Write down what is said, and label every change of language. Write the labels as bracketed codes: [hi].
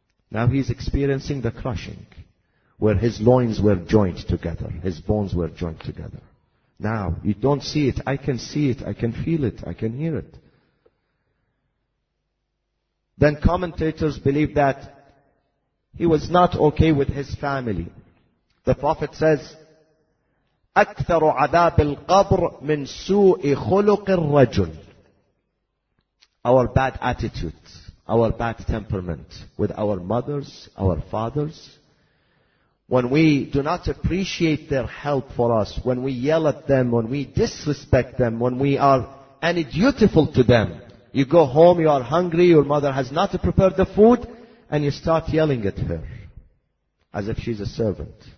[en] Now he's experiencing the crushing, where his loins were joined together, his bones were joined together. Now, you don't see it, I can see it, I can feel it, I can hear it. Then commentators believe that he was not okay with his family. The Prophet says, [ar] أكثر عذاب القبر من سوء خلق الرجل. [en] Our bad attitude, our bad temperament with our mothers, our fathers, when we do not appreciate their help for us, when we yell at them, when we disrespect them, when we are any dutiful to them, you go home, you are hungry, your mother has not prepared the food, and you start yelling at her, as if she's a servant.